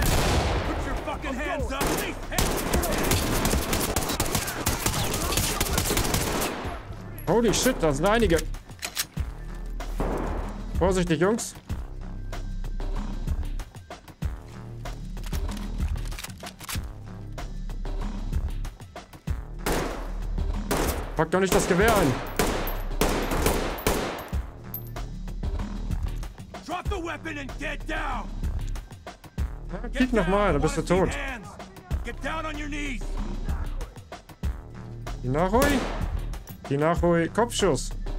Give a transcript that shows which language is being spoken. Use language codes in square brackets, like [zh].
[en] Put your fucking hands up! Holy shit, [de] da sind einige. Vorsichtig, Jungs. Pack doch nicht das Gewehr ein. [en] Drop the weapon and get down. [de] Kick nochmal, dann bist du tot. [en] Get down on your knees. [de] Die Nachhol, Kopfschuss.